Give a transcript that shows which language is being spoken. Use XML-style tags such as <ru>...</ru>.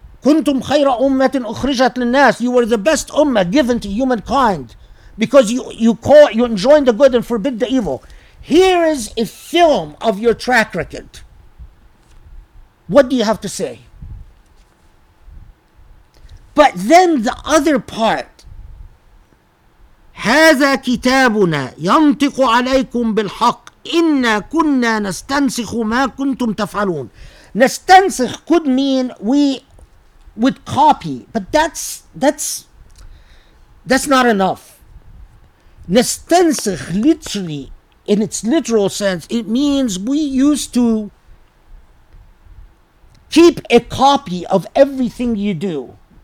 <ar>كنتم خير أمة أخرجت للناس.</ar> <en>You were the best ummah given to humankind because you enjoin the good and forbid the evil. Here is a film of your track record. What do you have to say? But then the other part.</en> <ar>هذا كتابنا ينطق عليكم بالحق إنا كنا نستنسخ ما كنتم تفعلون.</ar> <en>نستنسخ could mean we would copy, but that's not enough. نستنسخ literally, in its literal sense, it means we used to keep a copy of everything you do.</en>